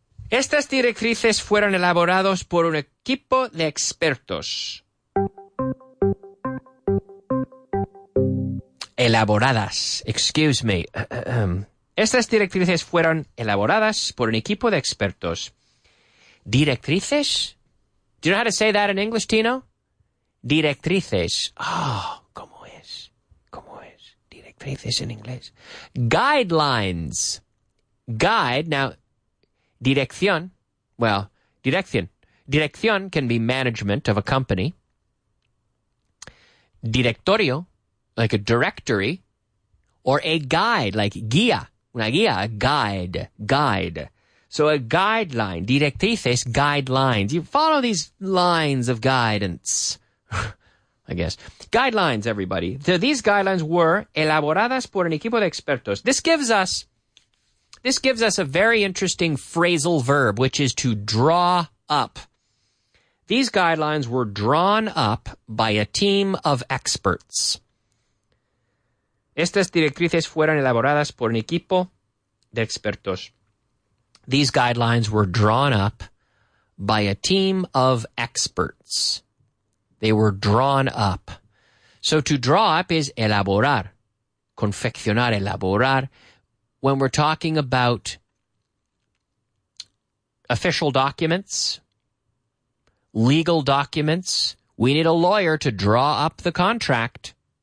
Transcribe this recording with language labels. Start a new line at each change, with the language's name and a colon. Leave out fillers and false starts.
Spanish: Estas directrices fueron elaboradas por un equipo de expertos. Elaboradas.
English: Excuse me.
Spanish: Estas directrices fueron elaboradas por un equipo de expertos. ¿Directrices?
English: Do you know how to say that in English, Tino?
Spanish: Directrices. Oh, ¿cómo es? ¿Cómo es? Directrices en inglés. Guidelines. Guide.
English: Now, dirección. Well, dirección. Dirección can be management of a company. Directorio. Like a directory, or a guide, like guía, una guía, guide. So a guideline, directrices, guidelines. You follow these lines of guidance, I guess. Guidelines, everybody. So these guidelines were
Spanish: elaboradas por un equipo de expertos.
English: This gives us a very interesting phrasal verb, which is to draw up. These guidelines were drawn up by a team of experts.
Spanish: Estas directrices fueron elaboradas por un equipo de expertos.
English: These guidelines were drawn up by a team of experts. They were drawn up. So to draw up is elaborar, confeccionar, elaborar. When we're talking about official documents, legal documents, we need a lawyer to draw up the contract.